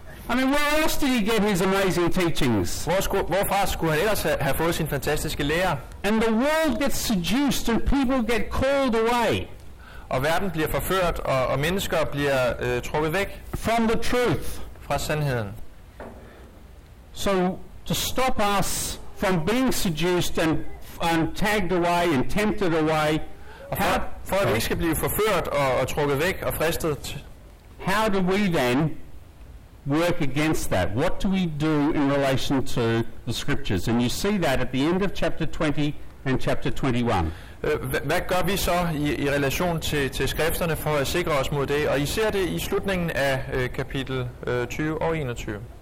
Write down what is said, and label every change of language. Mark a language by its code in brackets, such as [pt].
[en] I mean, where else did he get his amazing teachings? [da] Hvorfra skulle han ellers have fået sin fantastiske lære? [en] And the world gets seduced and people get called away. [da] Og verden bliver forført og mennesker bliver trukket væk. [en] From the truth. [da] Fra sandheden. [en] So to stop us from being seduced and tagged away and tempted away. [da] For at vi ikke skal blive forført og trukket væk og fristet. [en] How do we then work against that? What do we do in relation to the scriptures? And you see that at the end of chapter 20 and chapter 21. [da] Hvad gør vi så i relation til skrifterne for at sikre os mod det? Og I ser det i slutningen af kapitel 20 og 21.